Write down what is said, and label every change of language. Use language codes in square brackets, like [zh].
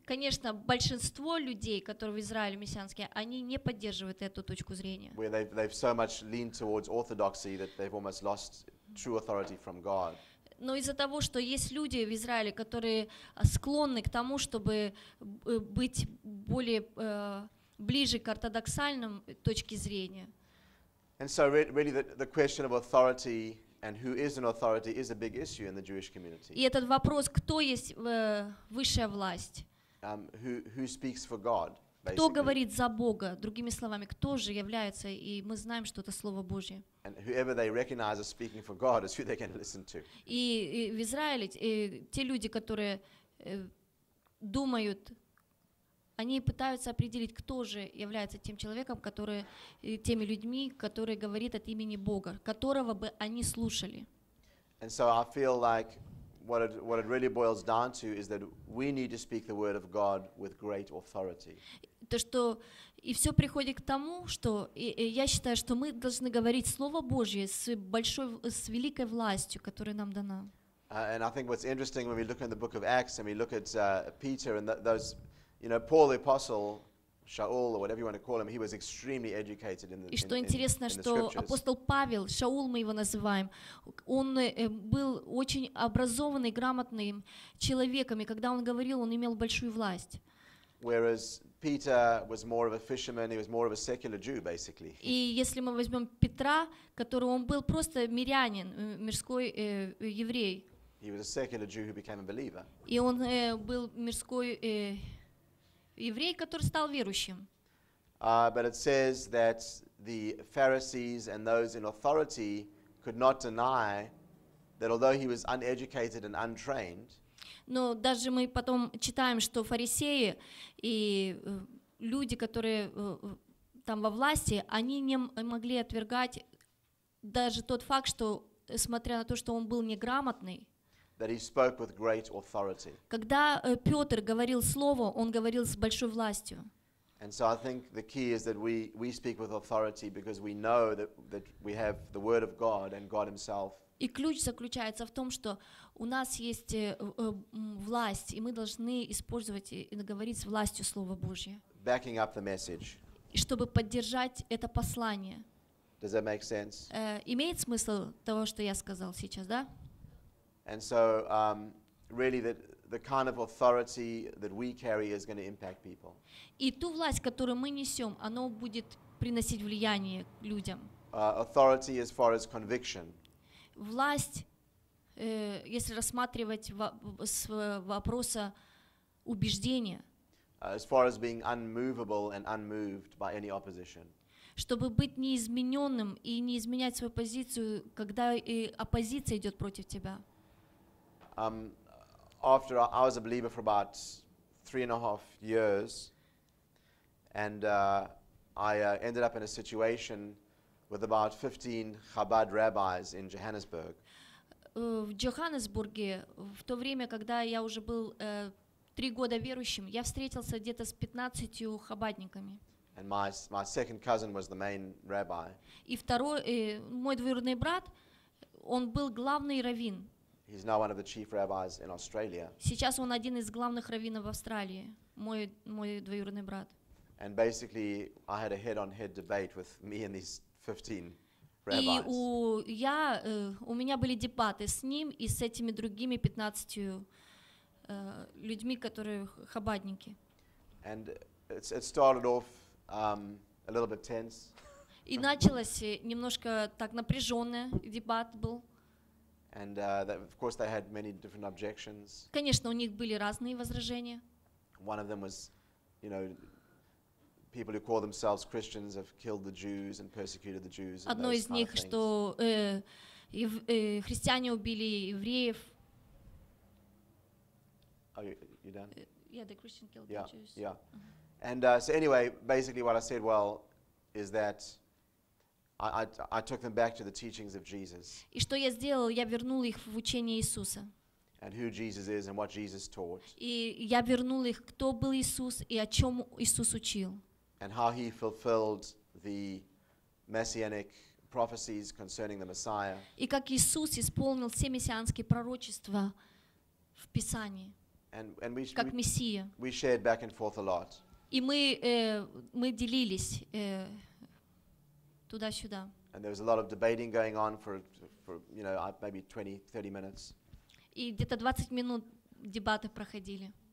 [ru] Конечно, большинство людей, которые в Израиле мессианские, они не поддерживают эту точку зрения. [en] Where they've so much leaned towards orthodoxy that they've almost lost true authority from God. [ru] Но из-за того, что есть люди в Израиле, которые склонны к тому, чтобы быть более ближе к ортодоксальным точке зрения. [en] And so, really, the question of authority. And who is an authority is a big issue in the Jewish community. [ru] И этот вопрос, кто есть высшая власть? [en] Who speaks for God? Basically. [ru] Кто говорит за Бога? Другими словами, кто же является, и мы знаем, что это Слово Божье. [en] And whoever they recognize as speaking for God is who they can listen to. [ru] И в Израиле те люди, которые думают, они пытаются определить, кто же является тем человеком, который, теми людьми, которые говорит от имени Бога, которого бы они слушали. [en] And so I feel like what it really boils down to is that we need to speak the word of God with great authority. [ru] То, что и все приходит к тому, что я считаю, что мы должны говорить Слово Божье с большой, с великой властью, которая нам дана. [en] And I think what's interesting when we look in the book of Acts and we look at Peter and those, you know, Paul the apostle, Shaul or whatever you want to call him, he was extremely educated in the scriptures. [ru] И что интересно, что апостол Павел, Шаул мы его называем, он был очень образованный, грамотным человеком, и когда он говорил, он имел большую власть. [en] Whereas Peter was more of a fisherman, he was more of a secular Jew, basically. [ru] И если мы возьмем Петра, которого он был просто мирянин, мирской еврей. [en] He was a secular Jew who became a believer. [ru] И он был мирской еврей, который стал верующим. [en] But it says that the Pharisees and those in authority could not deny that although he was uneducated and untrained. [ru] Но даже мы потом читаем, что фарисеи и люди, которые там во власти, они не могли отвергать даже тот факт, что, смотря на то, что он был неграмотный, [en] that he spoke with great authority. [ru] Когда Петр говорил слово, он говорил с большой властью. [en] And so I think the key is that we speak with authority because we know that we have the word of God and God himself. [ru] И ключ заключается в том, что у нас есть власть, и мы должны использовать и говорить с властью Слово Божье. [en] Backing up the message. [ru] И чтобы поддержать это послание. [en] Does that make sense? [ru] Имеет смысл того, что я сказал сейчас, да? [en] And so, really, the kind of authority that we carry is going to impact people. [ru] И ту власть, которую мы несем, она будет приносить влияние людям. [en] Authority as far as conviction. [ru] Власть, если рассматривать с вопроса убеждения. [en] As far as being unmovable and unmoved by any opposition. [ru] Чтобы быть неизмененным и не изменять свою позицию, когда и оппозиция идет против тебя. [en] After I was a believer for about 3.5 years, and I ended up in a situation with about 15 Chabad rabbis in Johannesburg. [ru] В Johannesburgе в то время, когда я уже был 3 года верующим, я встретился где-то с 15 хабадниками. [en] And my second cousin was the main rabbi. [ru] И второй, мой двоюродный брат, он был главный раввин. [en] He's now one of the chief rabbis in Australia. [ru] Сейчас он один из главных раввинов в Австралии, мой двоюродный брат. [en] And basically, I had a head-on-head debate with me and these 15 rabbis. [ru] У меня были дебаты с ним и с этими другими 15 людьми, которые хабадники. [en] And it started off a little bit tense. [ru] И началось немножко так напряженно, дебат был. [en] And that, of course, they had many different objections. [ru] Конечно, у них были разные возражения. [en] One of them was, you know, people who call themselves Christians have killed the Jews and persecuted the Jews. [ru] Одно из них, что христиане убили евреев. [en] Are you done? Yeah, the Christian killed yeah, the Jews. Yeah. Uh-huh. And so anyway, basically what I said, well, is that I took them back to the teachings of Jesus. [ru] И что я сделал? Я вернул их в учение Иисуса. [en] And who Jesus is and what Jesus taught. [ru] И я вернул их, кто был Иисус и о чем Иисус учил. [en] And how he fulfilled the messianic prophecies concerning the Messiah. [ru] И как Иисус исполнил все мессианские пророчества в Писании. [en] And we [ru] как Мессия. [en] We shared back and forth a lot. [ru] И мы делились туда-сюда. [en] And there was a lot of debating going on for you know, maybe 20-30 minutes. [ru] И где-то 20 минут дебаты проходили.